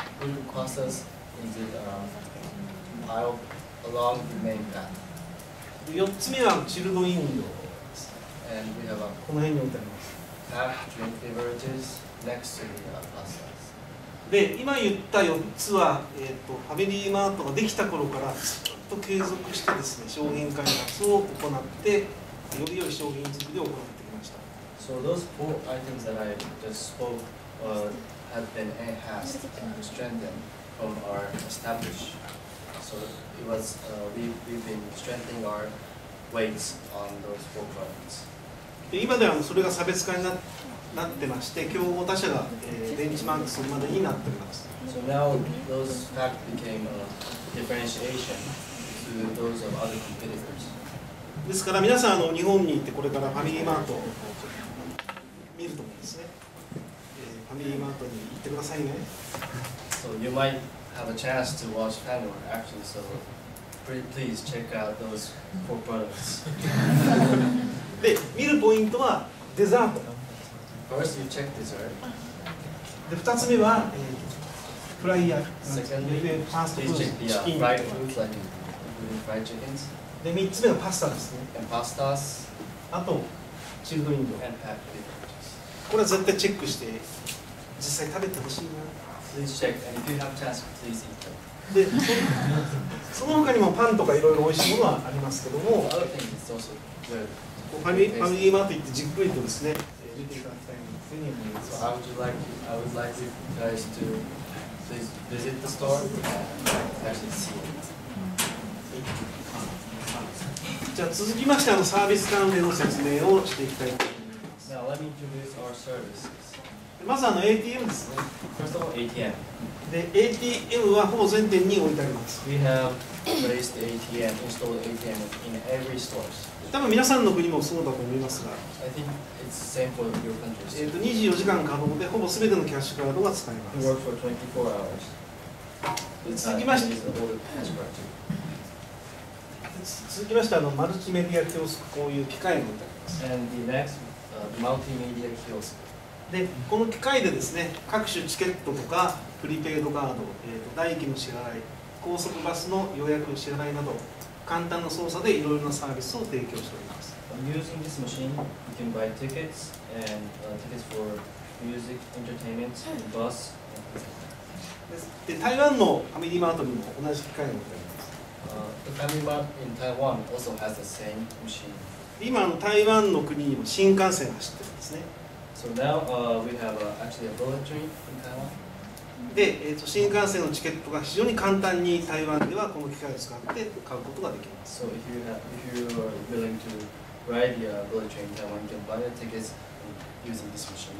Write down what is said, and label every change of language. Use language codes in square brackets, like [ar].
[en] We put pastas in the along the main path. [ja] 4つ目はチルド飲料です。 [en] And we have a [ja] この辺に置いてあります。 [en] Drink beverages next to the pastas. [ja] で、今言った4つは、ファミリーマートができた頃からずっと継続してですね、商品開発を行って、より良い商品作りを行ってきました。 [en] So those four items that I just spoke have been enhanced and strengthened from our establishedSo it was, we've been strengthening our weights on those four products. [ja] 今ではそれが差別化になってまして、競合他社が、ベンチマークするまでになっています。 [en] So now those facts became a differentiation to those of other competitors. [ja] ですから皆さん日本に行ってこれからファミリーマートを見ると思うんですね。ファミリーマートに行ってくださいね。 [en] So you might... have a chance to watch Family Mart actually, so please check out those four products. [ja] で、見るポイントはデザート。 [en] First, you check dessert. [ja] で、二つ目は、フライヤー。 [en] Secondly, please check the fried foods like including fried chickens. [ja] で、三つ目はパスタですね。 [en] And pastas. [ja] あと、チルド飲料。 [en] And packed beverages. [ja] これは絶対チェックして、実際食べてほしいな。 [en] Please check, and if you have chance, please eat them. [ja] で、その他にもパンとかいろいろ美味しいものはありますけども、 [en] other things is also good. [ja] ファミリーマート行ってじっくりとですね、見ていただきたいというふうに思います。 [en] So I would like you guys to please visit the store and actually see it. [ja] じゃあ続きましてサービス関連の説明をしていきたいと思います。 [en] Now let me introduce our services. [ja] まず ATM ですね。 [en] First of all, ATM. [ja] で、ATM はほぼ全店に置いてあります。 [en] We have placed ATM, installed ATM in every store. [ja] 多分皆さんの国もそうだと思いますが、 [en] I think it's the same for your countries. [ja] 24時間稼働でほぼ全てのキャッシュカードが使えます。 [en] We work for 24 hours. [ja] 続きましてマルチメディアキオスク、こういう機械も置いてあります。 [en] And the next, multimedia kiosk. [ja] で、この機械でですね、各種チケットとかプリペイドカード、代金の支払い、高速バスの予約の支払いなど、簡単な操作でいろいろなサービスを提供しております。 [en] Using this machine, you can buy tickets and tickets for music, entertainment, and bus. [ja] で、台湾のファミリーマートにも同じ機械があります。 [en] The Family Mart in Taiwan also has the same machine. [ja] 今、台湾の国にも新幹線走ってるんですね。 [en] So now, we have actually a bullet train in Taiwan. [ja] で、新幹線のチケットが非常に簡単に台湾ではこの機械を使って買うことができます。 [en] So if you are willing to ride the bullet train in Taiwan, you can buy your tickets using this machine.